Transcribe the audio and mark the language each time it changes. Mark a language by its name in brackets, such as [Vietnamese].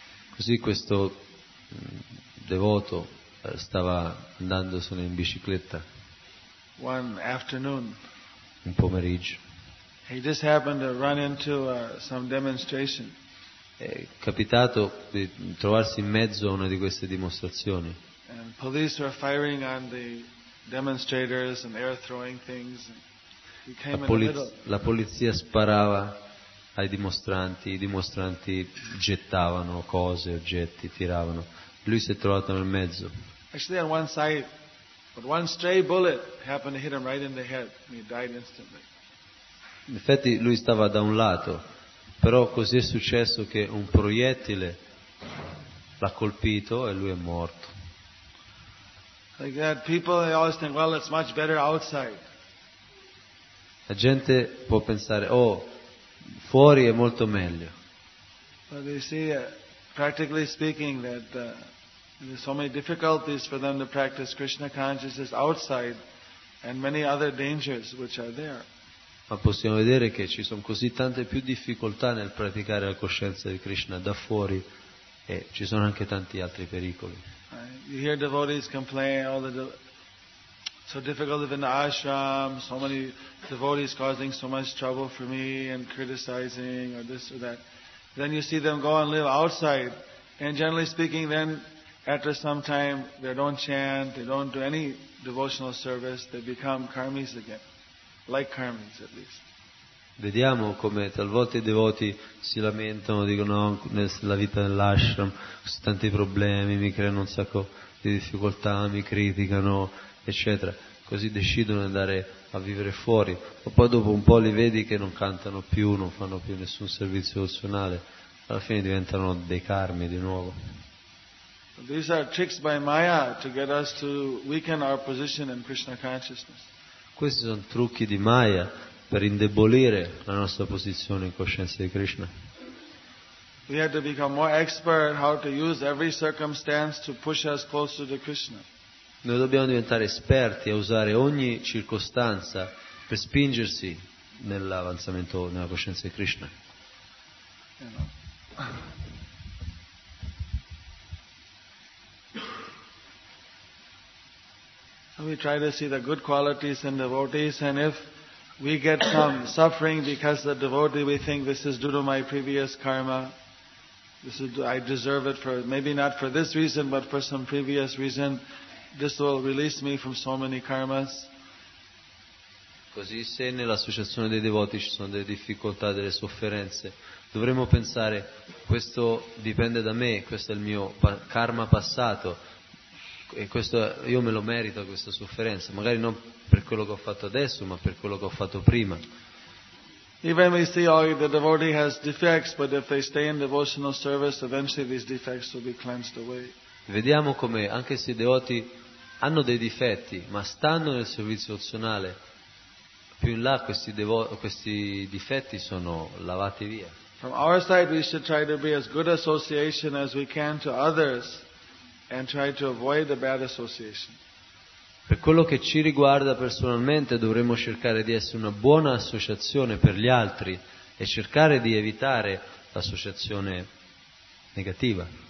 [Italian] Così questo devoto stava andando solo in bicicletta. [English] One afternoon. [Italian] Un pomeriggio. [English] He just happened to run into some demonstration. [Italian] È capitato di trovarsi in mezzo a una di queste dimostrazioni. [English] And police were firing on the demonstrators and air throwing things. He came [Italian] La polizia sparava ai dimostranti, i dimostranti gettavano cose, oggetti, tiravano. Lui si è trovato nel mezzo. [English] Actually on one side, but one stray bullet happened to hit him right in the head and he died instantly. [Italian] In effetti lui stava da un lato, però così è successo che un proiettile l'ha colpito e lui è morto. [English] Like that, people they always think, well, it's much better outside. [Italian] La gente può pensare, oh, fuori è molto meglio. [English] But you see, practically speaking, that there's so many difficulties for them to practice Krishna consciousness outside, and many other dangers which are there. [Italian] Ma possiamo vedere che ci sono così tante più difficoltà nel praticare la coscienza di Krishna da fuori e ci sono anche tanti altri pericoli. [English] You hear devotees complain, oh, so difficult in the ashram, so many devotees causing so much trouble for me and criticizing or this or that. Then you see them go and live outside, and generally speaking then after some time they don't chant, they don't do any devotional service, they become karmis again. Like karmis, at least. [Italian] Vediamo come talvolta i devoti si lamentano, dicono nella vita dell'ashram ci sono tanti problemi, mi creano un sacco di difficoltà, mi criticano, eccetera. così decidono di andare a vivere fuori, ma poi dopo un po' li vedi che non cantano più, non fanno più nessun servizio emozionale, alla fine diventano dei carmi di nuovo. [English] These are tricks by Maya to get us to weaken our position in Krishna consciousness. [Italian] Questi sono trucchi di Maya per indebolire la nostra posizione in coscienza di Krishna. [English] We have to become more expert how to use every circumstance to push us closer to Krishna. [Italian] Noi dobbiamo diventare esperti a usare ogni circostanza per spingersi nell'avanzamento nella coscienza di Krishna. [English] We try to see the good qualities in devotees, and if we get some suffering because the devotee, we think this is due to my previous karma. This is, I deserve it for, maybe not for this reason, but for some previous reason. This will release me from so many karmas. [Italian] Così se nell'associazione dei devoti ci sono delle difficoltà, delle sofferenze, dovremmo pensare, questo dipende da me, questo è il mio karma passato, e questo, io me lo merito questa sofferenza, magari non per quello che ho fatto adesso, ma per quello che ho fatto prima. [English] Even we see all the devotee has defects, but if they stay in devotional service, eventually these defects will be cleansed away. [Italian] Vediamo come anche se i devoti hanno dei difetti, ma stando nel servizio opzionale, più in là questi difetti sono lavati via. [English] From our side, we should try to be as good association as we can to others, and try to avoid the bad association. [Italian] Per quello che ci riguarda personalmente, dovremmo cercare di essere una buona associazione per gli altri e cercare di evitare l'associazione negativa.